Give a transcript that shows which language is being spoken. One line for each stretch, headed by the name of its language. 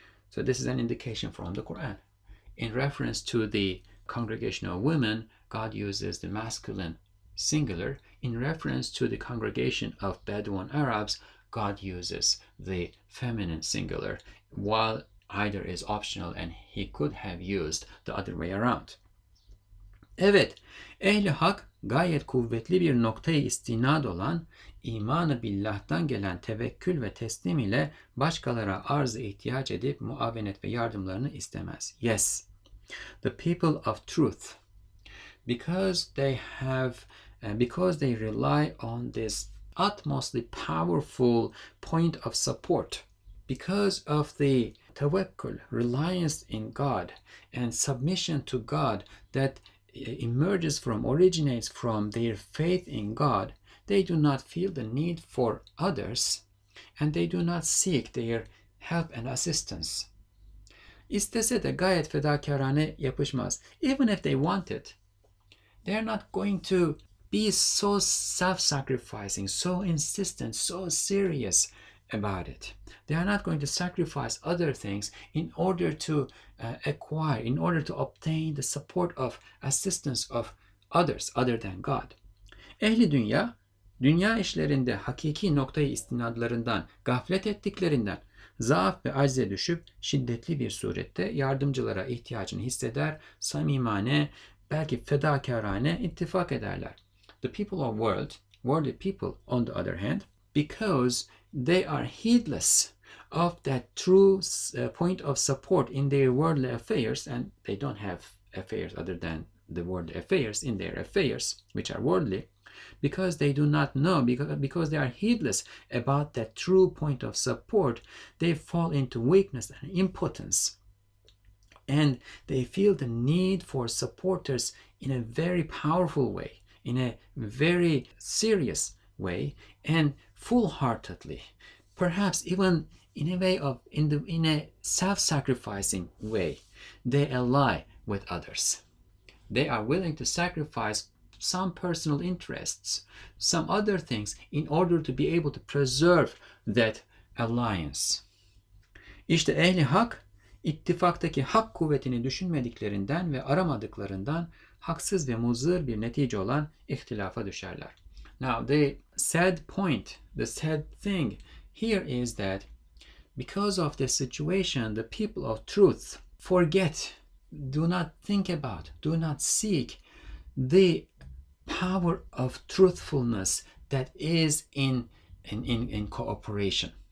English: So this is an indication from the Quran. In reference to the congregation of women, God uses the masculine singular. In reference to the congregation of Bedouin Arabs, God uses the feminine singular, while either is optional and he could have used the other way around.
Turkish: Evet, ehli hak gayet kuvvetli bir noktaya istinad olan imanı billah'tan gelen tevekkül ve teslim ile başkalara arz-ı ihtiyaç edip muavenet ve yardımlarını istemez.
English: Yes, the people of truth, because they rely on this utmostly powerful point of support, because of the tawakkul, reliance in God, and submission to God that emerges from, originates from their faith in God, they do not feel the need for others, and they do not seek their help and assistance.
Turkish: İstese de gayet fedakarane yapışmaz.
English: Even if they want it, they're not going to be so self-sacrificing, so insistent, so serious about it. They are not going to sacrifice other things in order to acquire, in order to obtain the support of assistance of others other than God.
Turkish: Ehli dünya, dünya işlerinde hakiki noktayı istinadlarından, gaflet ettiklerinden, zaaf ve acize düşüp şiddetli bir surette yardımcılara ihtiyacını hisseder, samimane, belki fedakarane ittifak ederler.
English: The people of worldly people, on the other hand, because they are heedless of that true point of support in their worldly affairs, and they don't have affairs other than the worldly affairs in their affairs, which are worldly, because they do not know, because they are heedless about that true point of support, they fall into weakness and impotence, and they feel the need for supporters in a very powerful way, in a very serious way, and full-heartedly, perhaps even in a way of in a self-sacrificing way, they ally with others. They are willing to sacrifice some personal interests, some other things, in order to be able to preserve that alliance.
Turkish: İşte ehli hak, ittifaktaki hak kuvvetini düşünmediklerinden ve aramadıklarından haksız ve muzır bir netice olan ihtilafa düşerler.
English: Now, the sad point, the sad thing here is that because of the situation, the people of truth forget, do not think about, do not seek the power of truthfulness that is in cooperation.